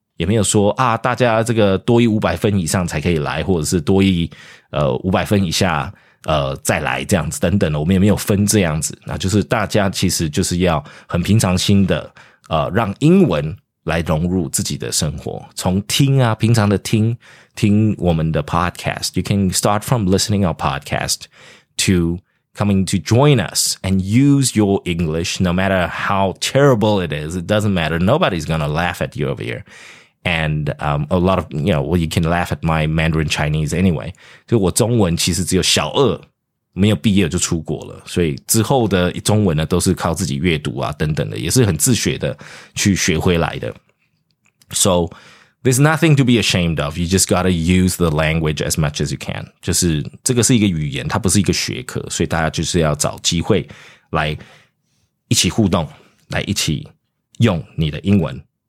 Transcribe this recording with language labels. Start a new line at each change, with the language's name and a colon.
Chinese: 也没有说啊，大家这个多一500分以上才可以来，或者是多一500分以下再来这样子等等的，我们也没有分这样子。那就是大家其实就是要很平常心的让英文来融入自己的生活，从听啊，平常的听听我们的 podcast.
English: You can start from listening our podcast to coming to join us and use your English no matter how terrible it is. It doesn't matter. Nobody's gonna laugh at you over here. And a lot of, you know, well, you can laugh at my Mandarin Chinese anyway.
Chinese: 就我中文其实只有小二，没有毕业就出国了，所以之后的中文呢都是靠自己阅读啊等等的，也是很自学的去学回来的。
English: So there's nothing to be ashamed of. You just gotta use the language as much as you can.
Chinese: 就是这个是一个语言，它不是一个学科，所以大家就是要找机会来一起互动，来一起用你的英文。